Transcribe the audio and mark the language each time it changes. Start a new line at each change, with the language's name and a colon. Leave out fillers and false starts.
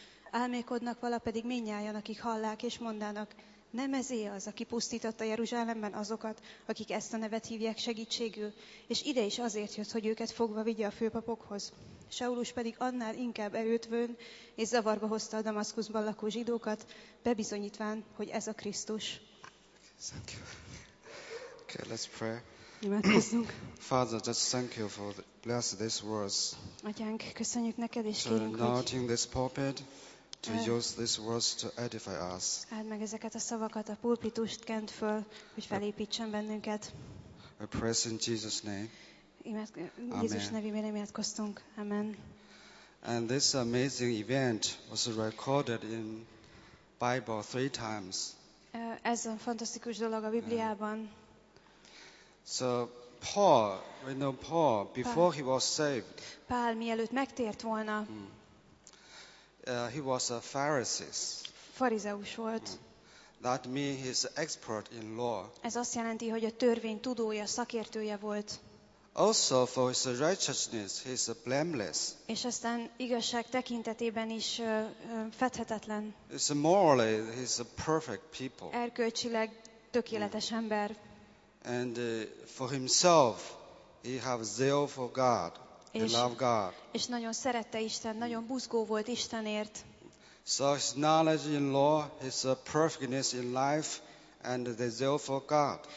Hungarian: Álmékodnak vala pedig mindnyájan, akik hallák, és mondának: nem ezé az, aki pusztította Jeruzsálemben azokat, akik ezt a nevet hívják segítségül, és ide is azért jött, hogy őket fogva vigye a főpapokhoz. Saulus pedig annál inkább erőtvön, és zavarba hozta a Damaszkuszban lakó zsidókat, bebizonyítván, hogy ez a Krisztus.
English: Okay, let's pray.
Hungarian: Imádkozzunk.
English: Father, just thank you for the, bless these words.
Hungarian: Atyánk, köszönjük neked és kérünk, hogy
English: anointing this pulpit to use these words to edify us.
Hungarian: Áld meg ezeket a szavakat, a pulpitust kent föl, hogy felépítsen bennünket.
English: We praise in Jesus' name.
Hungarian: Jézus nevében imádkoztunk. Amen.
English: And this amazing event was recorded in Bible 3 times.
Hungarian: Ez a fantasztikus dolog a Bibliában.
English: So Paul, we know Paul before Paul, he was saved.
Hungarian: Pál mielőtt megtért volna.
English: He was a Pharisee.
Hungarian: Farizeus volt.
English: That means he's expert in law.
Hungarian: Ez azt jelenti, hogy a törvény tudója, szakértője volt.
English: Also for his righteousness, he is blameless.
Hungarian: És aztán igazság tekintetében is fethetetlen.
English: It's morally, he is a perfect people.
Hungarian: Erkölcsileg tökéletes ember.
English: And for himself, he have zeal for God. He love God.
Hungarian: És nagyon szerette Isten, nagyon buzgó volt Istenért.
English: So his knowledge in law, his perfectness in life, and the zeal for God.